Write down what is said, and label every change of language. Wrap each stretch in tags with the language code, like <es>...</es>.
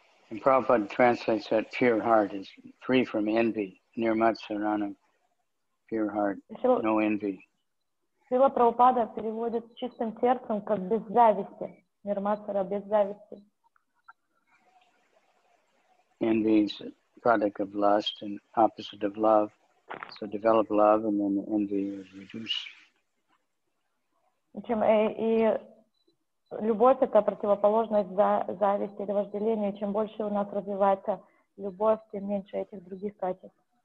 <en>And Prabhupada translates that pure heart is free from envy, nirmatsaranam, pure heart, no envy.</en> <ru>Шрила Прабхупада переводит чистым сердцем как без зависти, нирмацара, без зависти.</ru> <en>Envy is a product of lust and opposite of love. So develop love and then the envy is reduced.</en> <ru>И любовь — это противоположность зависти или вожделению. Чем больше у нас развивается любовь, тем меньше этих других качеств.</ru>